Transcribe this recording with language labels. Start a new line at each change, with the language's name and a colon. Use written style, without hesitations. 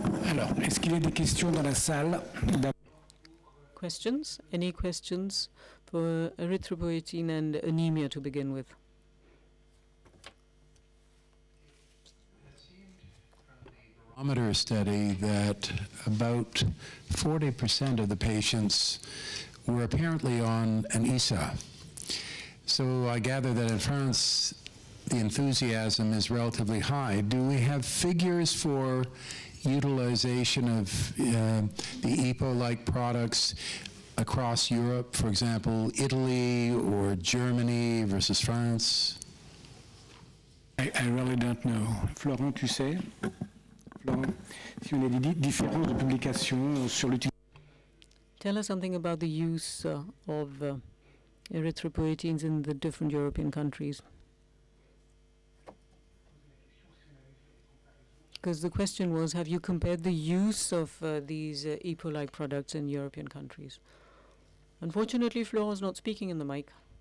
French: Alors, est-ce qu'il y a des questions dans la salle? Questions?
English: Any questions for erythropoietin and anemia to begin with? Barometer study that about 40% of the patients were apparently on an ESA. So I gather that in France the enthusiasm is relatively high. Do we have figures for utilization of the EPO-like products across Europe, for example, Italy or Germany versus France? I really don't know.
French: Florent, tu sais? Florent, si on a des différences de publication sur l'utilisation.
English: Tell us something about the use of erythropoietins in the different European countries. Because the question was, have you compared the use of these E. coli products in European countries? Unfortunately, Florent's not speaking in the mic.